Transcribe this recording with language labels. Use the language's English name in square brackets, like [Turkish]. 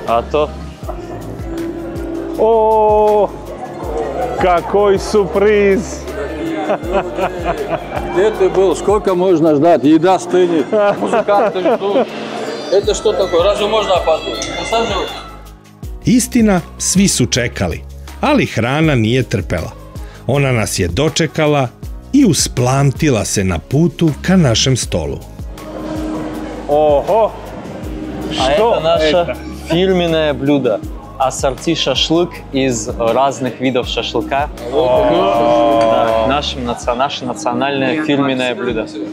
[Russian] А то? О, какой сюрприз! Где ты был? Сколько можно ждать? Еда стынет. Музыканты ждут. Это что такое? Разве можно опаздывать? Посаживать? [Serbian] Истина, сви су чекали, али храна није трпела. Она нас је дочекала и усплантила се на путу ка нашем столу. [Russian] Ого! А это наше фирменное блюдо. Ассорти шашлык из разных видов шашлыка. Наше национальное фирменное блюдо.